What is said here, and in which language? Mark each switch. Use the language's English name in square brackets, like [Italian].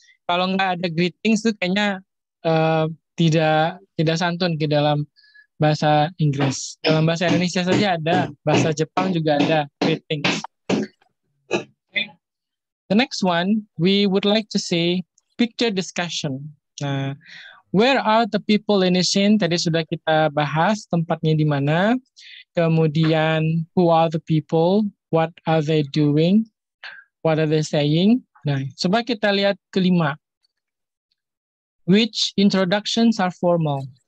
[Indonesian] Kalau nggak ada greetings tuh kayaknya tidak santun ke dalam bahasa Inggris. Dalam bahasa Indonesia saja ada, bahasa Jepang juga ada greetings. [English] Okay. The next one, we would like to see picture discussion. Where are the people in the scene? [Indonesian] Tadi sudah kita bahas tempatnya di mana. [English] Kemudian, who are the people? What are they doing? What are they saying? [Indonesian] Nah, coba kita lihat kelima. [English] Which introductions are formal?